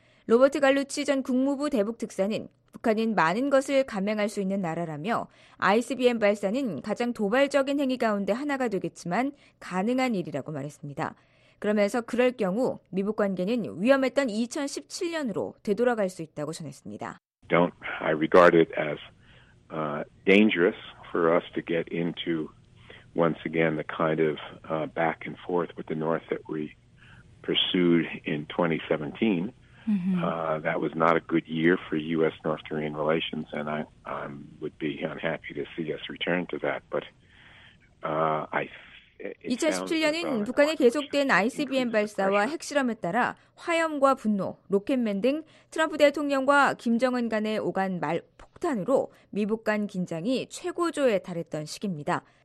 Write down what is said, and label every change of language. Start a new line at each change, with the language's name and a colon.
Korean: 로버트 갈루치 전 국무부 대북특사는 북한은 많은 것을 감행할 수 있는 나라라며 ICBM 발사는 가장 도발적인 행위 가운데 하나가 되겠지만 가능한 일이라고 말했습니다. 그러면서 그럴 경우 미북 관계는 위험했던 2017년으로 되돌아갈 수 있다고 전했습니다.
English: I regard it as dangerous for us to get into once again the kind of back and forth with the North that we pursued in 2017. That was not a good year for U.S. North Korean relations, and I would be unhappy to see us return to that. But
Korean: I 2017년은 북한의 계속된 ICBM 발사와 핵실험에 따라 화염과 분노, 로켓맨 등 트럼프 대통령과 김정은 간에 오간 말 폭탄으로 미북 간 긴장이 최고조에 달했던 시기입니다.